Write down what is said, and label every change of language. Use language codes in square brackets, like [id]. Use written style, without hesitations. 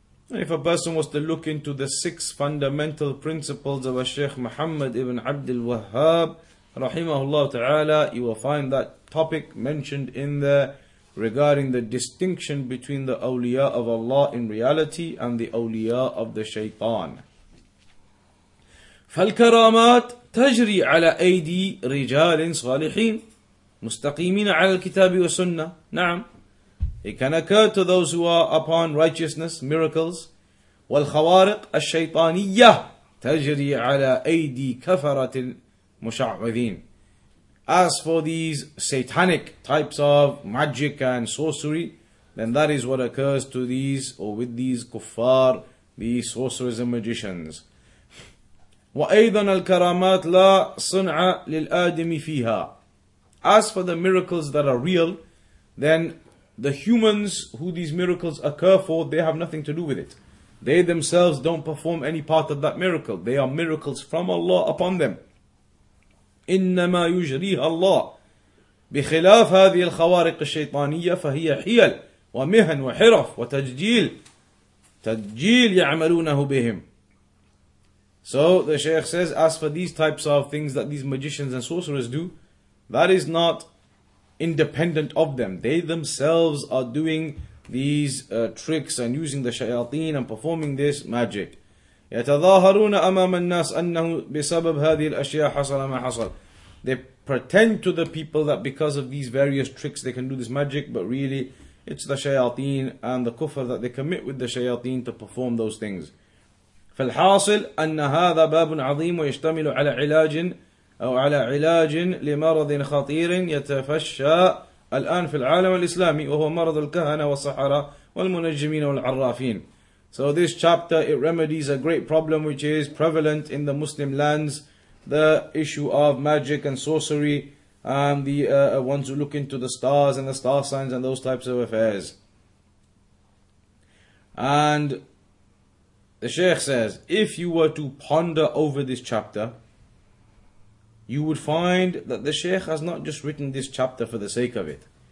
[en] And if a person was to look into the six fundamental principles of a Shaykh Muhammad ibn Abdul Wahhab, rahimahullah ta'ala, you will find that topic mentioned in there regarding the distinction between the awliya of Allah in reality and the awliya of the shaytan. [ar] فالكرامات تجري على أيدي رجال صالحين مستقيمين على الكتاب والسنة. نعم. [en] It can occur to those who are upon righteousness, miracles. [ar] والخوارق الشيطانية تجري على أيدي كفرة مشعوذين. [en] As for these satanic types of magic and sorcery, then that is what occurs to these, or with these kuffar, these sorcerers and magicians. [ar] وَأَيْضًا الْكَرَامَاتِ لَا صُنْعَ لِلْآدِمِ فِيهَا. [en] As for the miracles that are real, then the humans who these miracles occur for, they have nothing to do with it. They themselves don't perform any part of that miracle. They are miracles from Allah upon them. [ar] إِنَّمَا يُجْرِيهَ اللَّهِ بِخِلَافْ هَذِهِ الْخَوَارِقِ الشَّيْطَانِيَّةِ فَهِيَ حِيَلْ وَمِهَنْ وَحِرَفْ وَتَجْجِيلْ تَجْجِيلْ يَعْمَلُونَهُ بِهِمْ. [en] So the Shaykh says, as for these types of things that these magicians and sorcerers do, that is not independent of them. They themselves are doing these tricks and using the shayateen and performing this magic. [ar] يتظاهرون أمام الناس أنه بسبب هذه الأشياء حصل ما حصل. [en] They pretend to the people that because of these various tricks they can do this magic, but really it's the shayateen and the kufr that they commit with the shayateen to perform those things. [ar] فالحاصل أن هذا باب عظيم ويشتمل على علاج أو على علاج لمرض خطير يتفشى الآن في العالم الإسلامي وهو مرض الكهنة والسحرة والمنجمين والعرافين. [en] So this chapter, it remedies a great problem which is prevalent in the Muslim lands, the issue of magic and sorcery, and the ones who look into the stars and the star signs and those types of affairs. And the Shaykh says, if you were to ponder over this chapter, you would find that the Shaykh has not just written this chapter for the sake of it.